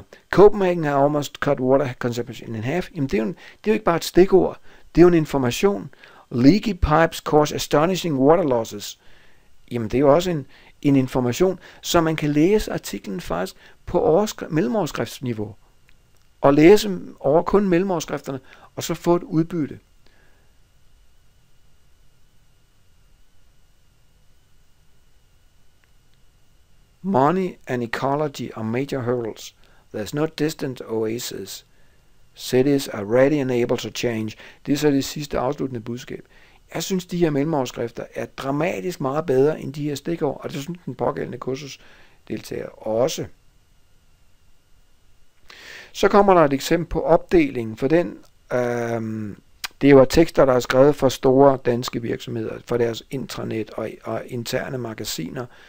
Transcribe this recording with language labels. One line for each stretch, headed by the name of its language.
English: Copenhagen har almost cut water consumption in half.
Danish: Jamen, det er jo ikke bare et stikord, det er jo en information.
English: Leaky pipes cause astonishing water losses.
Danish: Jamen, det er jo også en information, så man kan læse artiklen faktisk på mellemoverskriftsniveau. Og læse over kun mellemoverskrifterne, og så få et udbytte.
English: Money and ecology are major hurdles. There's no distant oasis. Cities are ready and able to change.
Danish: Det er så det sidste afsluttende budskab. Jeg synes, de her mellemoverskrifter er dramatisk meget bedre end de her stikord, og det synes den pågældende kursusdeltager også. Så kommer der et eksempel på opdelingen, for den, det var tekster, der er skrevet for store danske virksomheder, for deres intranet og interne magasiner.